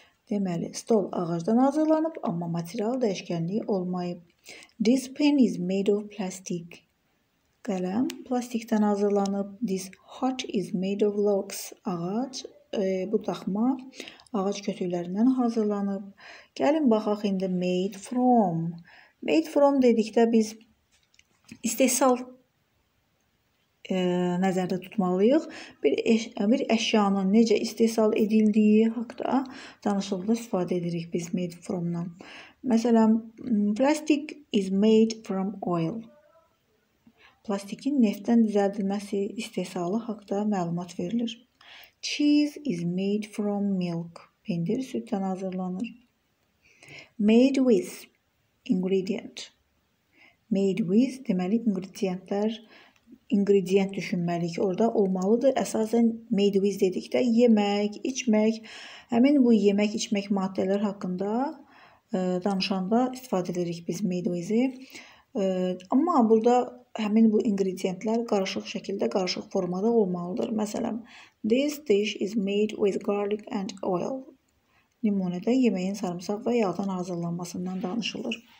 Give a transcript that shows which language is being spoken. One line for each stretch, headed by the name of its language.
Azerbaijani: Deməli, stol ağacdan hazırlanıb, amma material dəyişkənliyi olmayıb.
English: This pen is made of plastic.
Azerbaijani: Qələm plastikdən hazırlanıb.
English: This hat is made of logs.
Azerbaijani: Ağac, bu daxma. Ağac kötüklərindən hazırlanıb. Gəlin baxaq indi made from. Made from dedikdə biz istehsal nəzərdə tutmalıyıq. Bir əşyanın necə istehsal edildiyi haqda danışıldığında istifadə edirik biz made from-dan.
English: Məsələn, plastic is made from oil.
Azerbaijani: Plastikin neftdən düzəldilməsi istehsalı haqda məlumat verilir.
English: Cheese is made from milk.
Azerbaijani: Peynir sütdən hazırlanır. Made with ingredient. Made with deməli ingredientlər, ingredient düşünməlik orada olmalıdır. Əsasən made with dedikdə yemək, içmək, həmin bu yemək, içmək maddələr haqqında danışanda istifadə edirik biz made with-i. Amma burada həmin bu ingredientlər qarışıq şəkildə, qarışıq formada olmalıdır.
English: Məsələn, this dish is made with garlic and oil.
Azerbaijani: Nümunədə yeməyin sarımsaq və yağdan hazırlanmasından danışılır.